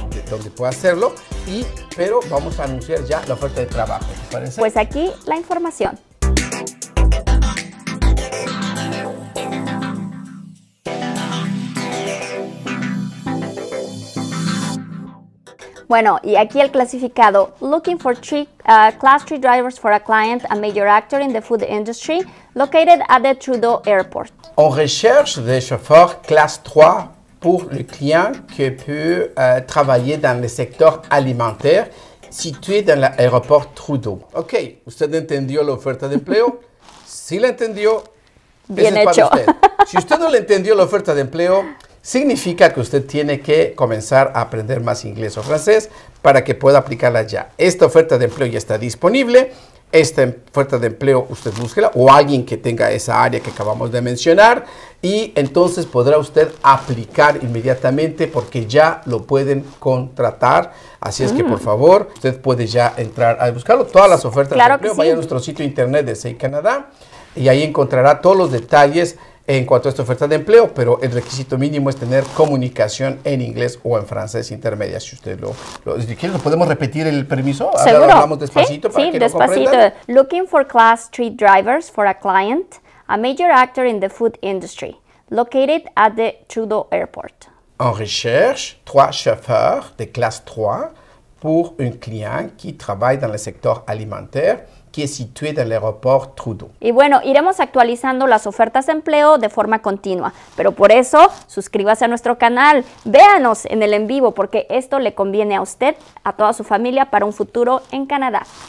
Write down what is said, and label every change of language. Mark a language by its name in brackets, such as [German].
[Spanish] Donde pueda hacerlo, pero vamos a anunciar ya la oferta de trabajo. ¿Te parece? Pues aquí la información. Bueno, y aquí el clasificado. [English] Looking for class 3 drivers for a client, a major actor in the food industry, located at the Trudeau Airport. [French] On recherche des chauffeurs class 3. Pour le client qui peut travailler dans le secteur alimentaire situé dans l'aéroport Trudeau. [Spanish] OK, ¿usted entendió la oferta de empleo? Si la entendió, bien hecho. Usted. Si usted no le entendió la oferta de empleo, significa que usted tiene que comenzar a aprender más inglés o francés para que pueda aplicarla ya. Esta oferta de empleo ya está disponible. Esta oferta de empleo, usted búsquela, o alguien que tenga esa área que acabamos de mencionar, y entonces podrá usted aplicar inmediatamente porque ya lo pueden contratar. Así es que, por favor, usted puede ya entrar a buscarlo. Todas las ofertas claro de empleo, vaya a nuestro sitio internet de CI Canadá, y ahí encontrará todos los detalles en cuanto a esta oferta de empleo, pero el requisito mínimo es tener comunicación en inglés o en francés intermedia. Si usted lo quiere, ¿lo podemos repetir el permiso? Seguro. Hablamos despacito, ¿sí? Para sí, que despacito. Lo comprendan. [English] Looking for class 3 drivers for a client, a major actor in the food industry, located at the Trudeau Airport. [French] En recherche, 3 chauffeurs de classe 3 pour un client qui travaille dans le secteur alimentaire, [Spanish] que es situada en el aeropuerto Trudeau. Y bueno, iremos actualizando las ofertas de empleo de forma continua. Pero por eso, suscríbase a nuestro canal. Véanos en el en vivo, porque esto le conviene a usted, a toda su familia, para un futuro en Canadá.